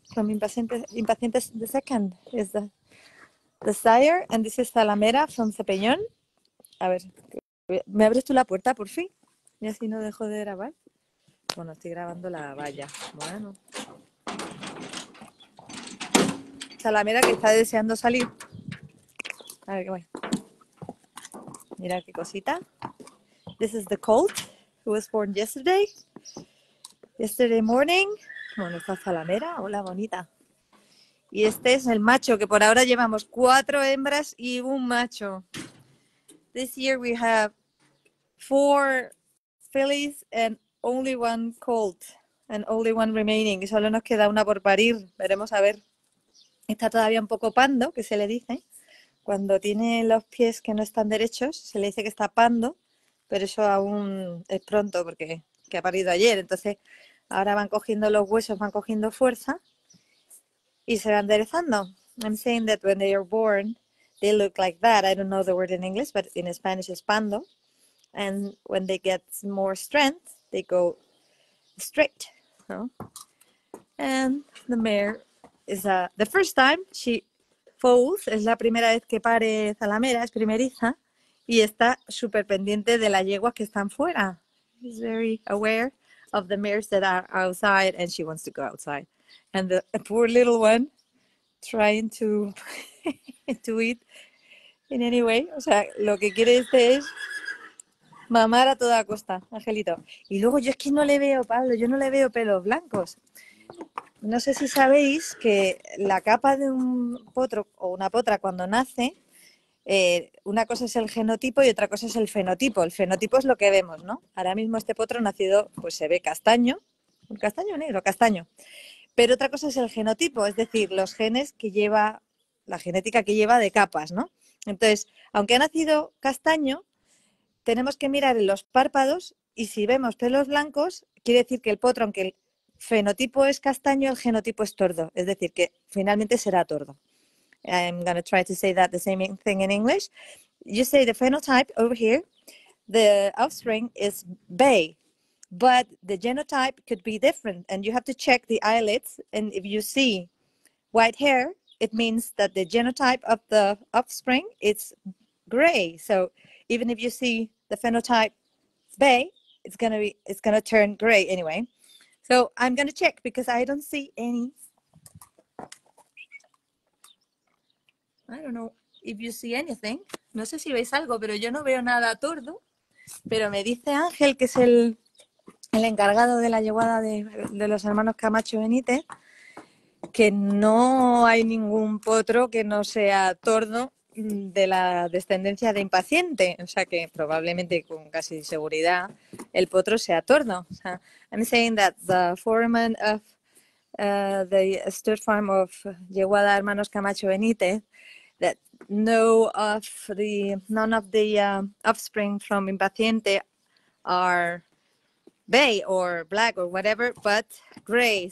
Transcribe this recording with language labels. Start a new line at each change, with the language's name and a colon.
English: From impaciente the second is the sire, and this is Zalamera from Cepeñón.
Spanish: A ver, ¿me abres tú la puerta por fin? Y así no dejo de grabar. Bueno, estoy grabando la valla. Bueno, Zalamera que está deseando salir. A ver qué voy. Mira qué cosita.
English: This is the colt who was born yesterday. Yesterday morning.
Spanish: Bueno, esta Zalamera, hola bonita. Y este es el macho, que por ahora llevamos 4 hembras y un macho.
English: This year we have 4 fillies and only 1 colt. And only 1 remaining.
Spanish: Y solo nos queda una por parir. Veremos a ver. Está todavía un poco pando, que se le dice. Cuando tiene los pies que no están derechos, se le dice que está pando. Pero eso aún es pronto, porque que ha parido ayer. Entonces, ahora van cogiendo los huesos, van cogiendo fuerza y se van enderezando.
English: I'm saying that when they are born, they look like that. I don't know the word in English, but in Spanish
Spanish: es pando.
English: And when they get more strength, they go straight. No? And the mare is the first time she foals.
Spanish: Es la primera vez que pare Zalamera, es primeriza. Y está súper pendiente de las yeguas que están fuera.
English: She's very aware of the mares that are outside and she wants to go outside. And the poor little one trying to, to eat in any way.
Spanish: O sea, lo que quiere este es mamar a toda costa, Angelito. Y luego yo es que no le veo, Pablo, yo no le veo pelos blancos. No sé si sabéis que la capa de un potro o una potra cuando nace, una cosa es el genotipo y otra cosa es el fenotipo. El fenotipo es lo que vemos, ¿no? Ahora mismo este potro nacido, pues se ve castaño, un castaño negro, castaño. Pero otra cosa es el genotipo, es decir, los genes que lleva, la genética que lleva de capas, ¿no? Entonces, aunque ha nacido castaño, tenemos que mirar en los párpados y si vemos pelos blancos, quiere decir que el potro, aunque el fenotipo es castaño, el genotipo es tordo, es decir, que finalmente será tordo.
English: I'm going to try to say that the same thing in English. You say the phenotype over here, the offspring is bay, but the genotype could be different and you have to check the eyelids and if you see white hair, it means that the genotype of the offspring is gray. So even if you see the phenotype bay, it's gonna turn gray anyway. So I'm gonna check because I don't see any. I don't know if you see anything.
Spanish: No sé si veis algo, pero yo no veo nada tordo. Pero me dice Ángel, que es el encargado de la yeguada de los hermanos Camacho Benítez, que no hay ningún potro que no sea tordo de la descendencia de impaciente. O sea que probablemente con casi seguridad el potro sea tordo. O sea,
English: I'm saying that the foreman of the stud farm of Yeguada Hermanos Camacho Benítez, that none of the offspring from impaciente are bay or black or whatever, but gray.